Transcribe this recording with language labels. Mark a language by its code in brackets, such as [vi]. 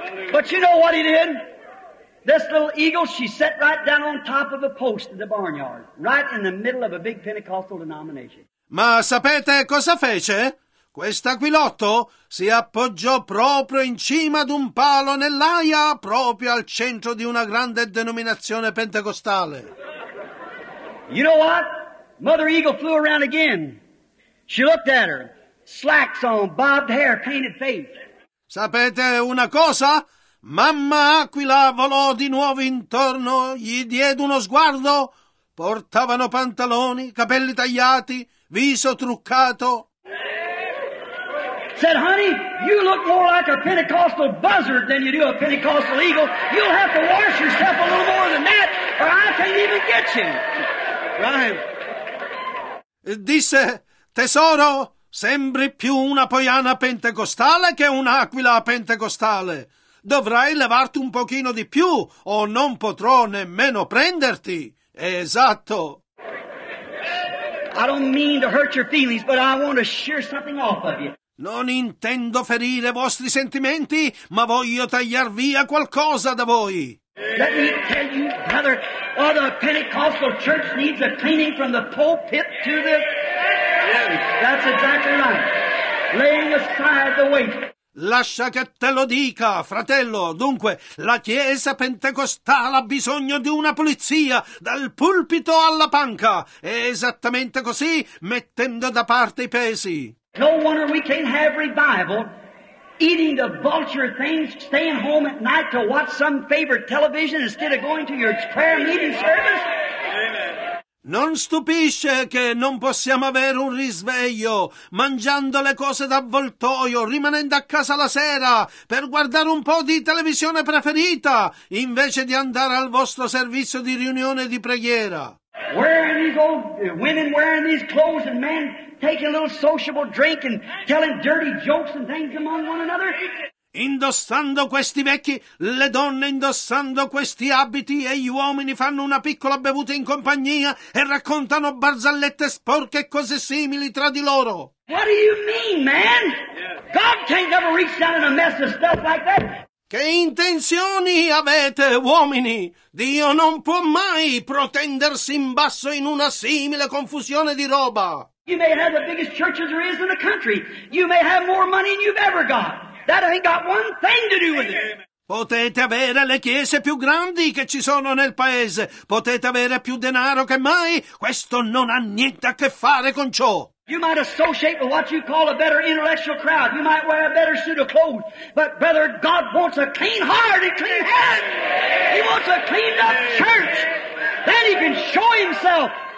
[en] But you know what he did? This little eagle, she sat right down on top of a post in the barnyard, right in the middle of a big Pentecostal denomination. [it] Ma sapete cosa fece? Quest'aquilotto si appoggiò proprio in cima ad un palo nell'aia, proprio al centro di una grande denominazione pentecostale. [en] You know what? Mother Eagle flew around again. She looked at her. Slacks on, bobbed hair, painted face. [it] Sapete una cosa? Mamma Aquila volò di nuovo intorno, gli diede uno sguardo. Portavano pantaloni, capelli tagliati, viso truccato. [en] said, "Honey, you look more like a Pentecostal buzzard than you do a Pentecostal eagle. You'll have to wash yourself a little more than that, or I can't even get you." Right. [it] Disse, "Tesoro, sembri più una poiana pentecostale che un'aquila pentecostale. Dovrai levarti un pochino di più, o non potrò nemmeno prenderti." Esatto. [en] "I don't mean to hurt your feelings, but I want to shear something off of you." [it] Non intendo ferire vostri sentimenti, ma voglio tagliar via qualcosa da voi. [en] "Let me tell you, brother, all the Pentecostal church needs a cleaning from the pulpit to the..." That's exactly right. "Laying aside the weight." [it] Lascia che te lo dica, fratello. Dunque, la chiesa pentecostale ha bisogno di una pulizia, dal pulpito alla panca. È esattamente così, mettendo da parte i pesi. [en] "No wonder we can't have revival eating the vulture things, staying home at night to watch some favorite television instead of going to your prayer meeting service." [it] Non stupisce che non possiamo avere un risveglio mangiando le cose d'avvoltoio, rimanendo a casa la sera per guardare un po' di televisione preferita, invece di andare al vostro servizio di riunione di preghiera. [en] "Wearing these old women wearing these clothes and men taking a little sociable drink and telling dirty jokes and things among one another." [it] Indossando questi vecchi, le donne indossando questi abiti e gli uomini fanno una piccola bevuta in compagnia e raccontano barzellette sporche e cose simili tra di loro. [en] "What do you mean, man? God can't never reach down in a mess of stuff like that." [it] Che intenzioni avete, uomini? Dio non può mai protendersi in basso in una simile confusione di roba. [en] "You may have the biggest churches there is in the country. You may have more money than you've ever got. That ain't got one thing to do with it." [it] Potete avere le chiese più grandi che ci sono nel paese. Potete avere più denaro che mai. Questo non ha niente a che fare con ciò. [en] "You might associate with what you call a better intellectual crowd. You might wear a better suit of clothes. But, brother, God wants a clean heart and clean head. He wants a cleaned up church. Then he can show himself."